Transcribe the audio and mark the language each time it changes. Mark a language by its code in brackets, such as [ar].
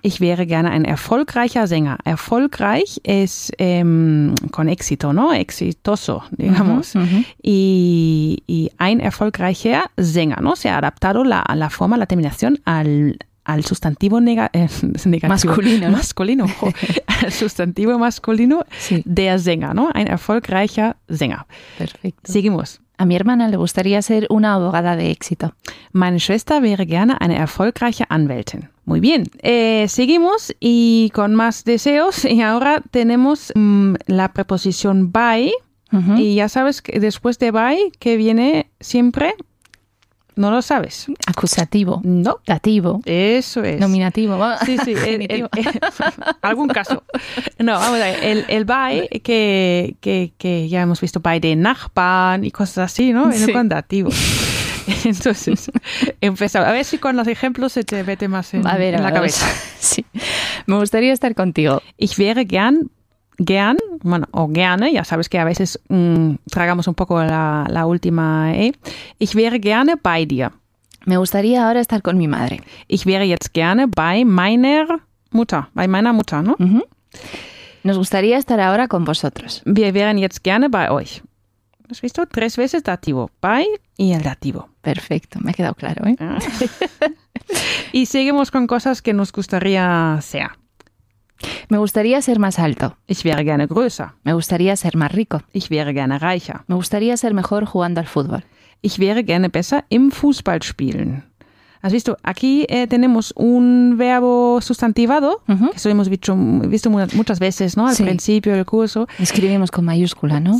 [de] Ich wäre gerne ein erfolgreicher Sänger. [es] Erfolgreich es con éxito, ¿no? Exitoso, digamos. Uh-huh. Y [de] ein erfolgreicher Sänger, [es] ¿no? Se ha adaptado la forma, la terminación al sustantivo negativo. Masculino. ¿No? Masculino. Al sustantivo masculino sí. [de] Der Sänger, ¿no? Ein erfolgreicher Sänger. [es] Perfecto. Seguimos. A mi hermana le gustaría ser una abogada de éxito. [de] Meine Schwester wäre gerne eine erfolgreiche Anwältin. [es] Muy bien. Seguimos y con más deseos. Y ahora tenemos la preposición by. Uh-huh. Y ya sabes que después de by, ¿qué viene siempre? No lo sabes. Acusativo. No. Dativo. Eso es. Nominativo. Sí, sí. algún caso. No, vamos a ver. El by que ya hemos visto, by de Nachbarn y cosas así, ¿no? Sí. Viene con dativo. Entonces, empezamos. A ver si con los ejemplos se te mete más en la cabeza. Sí. Me gustaría estar contigo. [de] Ich wäre gern, [es] bueno, o gerne, ya sabes que a veces tragamos un poco la última E. [de] Ich wäre gerne bei dir. [es] Me gustaría ahora estar con mi madre. [de] Ich wäre jetzt gerne bei meiner Mutter, [es] ¿no? Uh-huh. Nos gustaría estar ahora con vosotros. [de] Wir wären jetzt gerne bei euch. [es] ¿Has visto? Tres veces dativo. Bei y el dativo. Perfecto, me ha quedado claro, ¿eh? Ah. Y seguimos con cosas que nos gustaría sea. Me gustaría ser más alto. [de] Ich wäre gerne größer. [es] Me gustaría ser más rico. [de] Ich wäre gerne reicher. [es] Me gustaría ser mejor jugando al fútbol. [de] Ich wäre gerne besser im Fußball spielen. [es] ¿Has visto? Aquí tenemos un verbo sustantivado, uh-huh. que eso hemos visto muchas veces, ¿no? Al sí. principio del curso. Escribimos con mayúscula, ¿no?